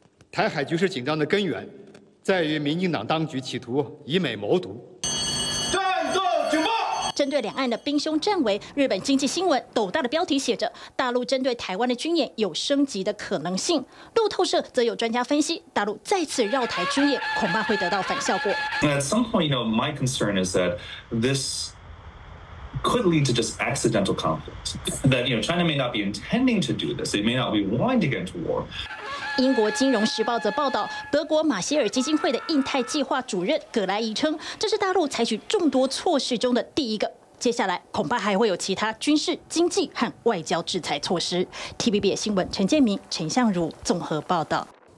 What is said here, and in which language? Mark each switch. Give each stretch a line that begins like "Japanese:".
Chinese: 台海局势紧张的根源，在于民进党当局企图以美谋独。针对两岸的兵凶战危，日本经济新闻斗大的标题写着大陆针对台湾的军演有升级的可能性。路透社则有专家分析，大陆再次绕台军演恐怕会得到反效果。
English: At some point, you know, my concern is that this could lead to just accidental conflict. That, you know, China may not be intending to do this. It may not be wanting to get into war.
Chinese: 英国金融时报则报道，德国马歇尔基金会的印太计划主任葛莱仪称，这是大陆采取众多措施中的第一个，接下来恐怕还会有其他军事、经济和外交制裁措施。 TVB 新闻陈建明、陈向如综合报道。